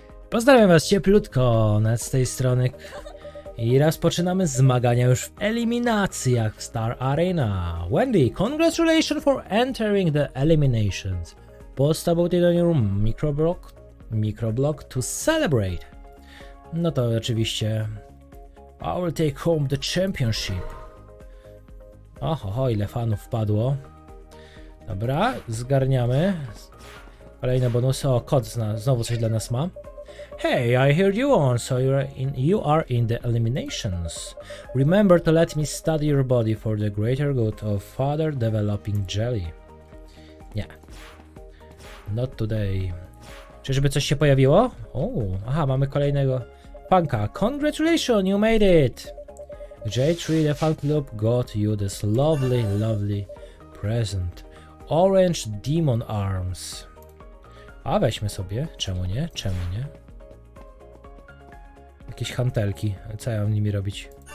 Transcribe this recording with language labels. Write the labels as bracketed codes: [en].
[pl] Pozdrawiam was cieplutko z tej strony i rozpoczynamy zmagania już w eliminacjach w Star Arena. [en] Wendy, congratulations for entering the eliminations. Post about it on your microblog to celebrate. [pl] No to oczywiście [en] I will take home the championship. [pl] Oho, ile fanów wpadło. Dobra, zgarniamy. Kolejne bonusy. O, kot znowu coś dla nas ma. [en] Hey, I heard you on, so you are in the eliminations. Remember to let me study your body for the greater good of further developing jelly. [pl] Nie. [en] Not today. [pl] Czyżby coś się pojawiło? Aha, mamy kolejnego punka. [en] Congratulations, you made it! J3, the Funk Loop, got you this lovely, lovely present. Orange Demon Arms. [pl] A weźmy sobie, czemu nie, czemu nie? Jakieś hantelki, co ja mam nimi robić?